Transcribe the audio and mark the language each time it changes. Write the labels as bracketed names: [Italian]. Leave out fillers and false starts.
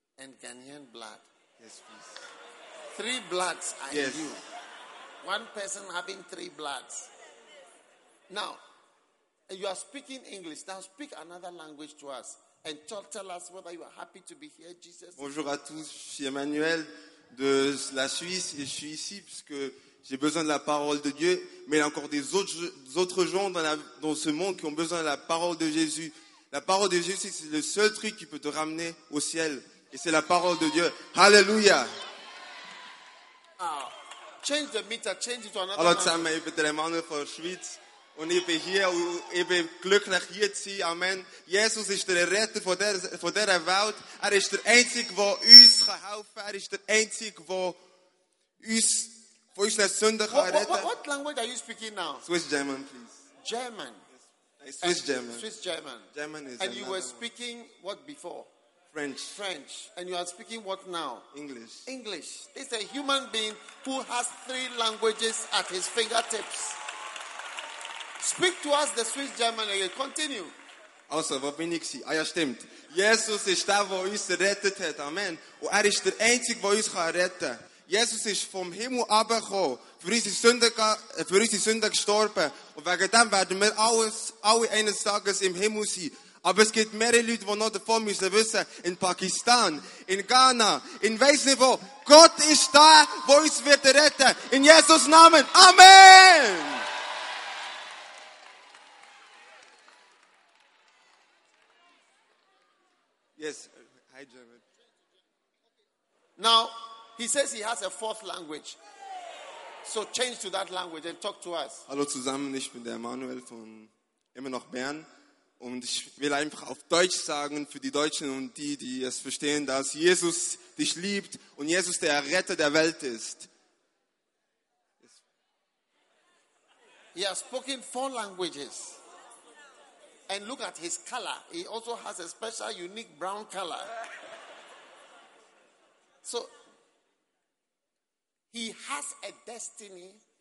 [English] And Ghanaian blood. Yes, please. Three bloods are yes. You. One person having three bloods. Now, you are speaking English. Now speak another language to us. And tell us whether you are happy to be here, Jesus. [French] Bonjour à tous. Je suis Emmanuel de la Suisse. Et je suis ici parce que j'ai besoin de la parole de Dieu, mais il y a encore des autres gens dans ce monde qui ont besoin de la parole de Jésus. La parole de Jésus, c'est le seul truc qui peut te ramener au ciel. Et c'est la parole de Dieu. [English] Hallelujah! Change the meter, change it to another. [German] Hallo zusammen, ich bin der Emmanuel von Schweiz. Und ich bin hier, ich bin glücklich hier zu sein. Amen. Jesus ist der Retter von dieser Welt. Er ist der Einzige, der uns helfen kann. Er ist der Einzige, der uns... [English] What language are you speaking now? Swiss German, please. German. Yes. Swiss and German. Swiss German. German is. And you were speaking what before? French. French. And you are speaking what now? English. English. It's a human being who has three languages at his fingertips. Speak to us the Swiss German again. Continue. [German] Also, wo bin ich? Ah ja, stimmt. Jesus ist der, der uns gerettet hat. Amen. Und er ist der Einzige, der uns retten kann. Jesus ist vom Himmel runtergekommen, für unsere Sünden gestorben. Und wegen dem werden wir alle eines Tages im Himmel sein. Aber es gibt mehrere Leute, die noch davon müssen wissen. In Pakistan, in Ghana, in weiss nicht wo. Gott ist da, wo uns wird retten. In Jesus Namen. Amen! [English] Yes. Hi, German. Now, he says he has a fourth language. So change to that language and talk to us. [German] Hallo zusammen, ich bin der Emanuel von immer noch Bern. Und ich will einfach auf Deutsch sagen für die Deutschen und die, die es verstehen, dass Jesus dich liebt und Jesus der Retter der Welt ist. [English] He has spoken four languages. And look at his color. He also has a special, unique brown color. So... he has a destiny